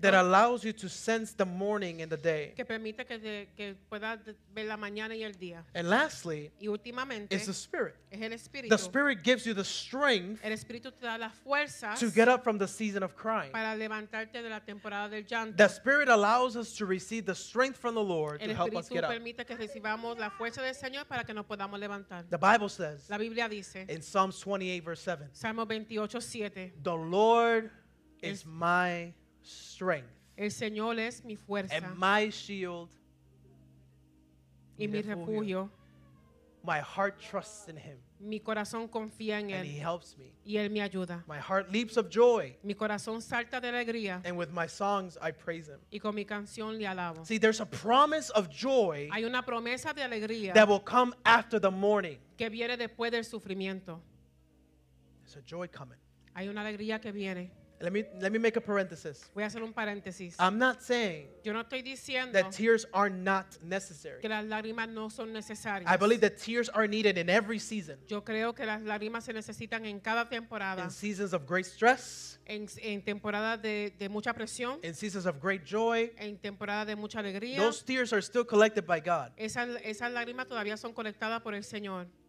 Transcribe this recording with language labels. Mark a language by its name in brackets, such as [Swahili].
[English] that allows you to sense the morning and the day. [Spanish] Que permite que pueda ver la mañana y el día. [English] And lastly, [Spanish] y últimamente [English] is the spirit. [Spanish] Es el espíritu. [English] The spirit gives you the strength [Spanish] el espíritu te da las fuerzas [English] to get up from the season of crying. [Spanish] Para levantarte de la temporada del llanto. [English] The spirit allows us to receive the strength from the Lord to help us get up. [Spanish] Permite que recibamos la fuerza del Señor para que nos podamos levantar. [English] The Bible says, [Spanish] la Biblia dice, [English] in Psalms 28, verse 7, [Spanish] Salmo 28, 7, [English] the Lord is my strength. [Spanish] El Señor es mi fuerza. [English] And my shield. [Spanish] Y mi refugio. [English] My heart trusts in him. [Spanish] Mi corazón confía en él. [English] And he helps me. [Spanish] Y él me ayuda. [English] My heart leaps of joy. [Spanish] Mi corazón salta de alegría. [English] And with my songs I praise him. [Spanish] Y con mi canción le alabo. [English] See, there's a promise of joy. [Spanish] Hay una promesa de alegría. [English] That will come after the morning. [Spanish] Que viene después del sufrimiento. [English] There's a joy coming. [Spanish] Hay una alegría que viene. [English] Let me make a parenthesis. [Spanish] Voy a hacer un paréntesis. [English] I'm not saying [Spanish] yo no estoy diciendo [English] that tears are not necessary. [Spanish] Que las lágrimas no son necesarias. [English] I believe that tears are needed in every season. [Spanish] Yo creo que las lágrimas se necesitan en cada temporada. [English] In seasons of great stress. [Spanish] En temporada de mucha presión. [English] In seasons of great joy. [Spanish] En temporada de mucha alegría. [English] Those tears are still collected by God. [Spanish] Esas lágrimas todavía son colectadas por el Señor.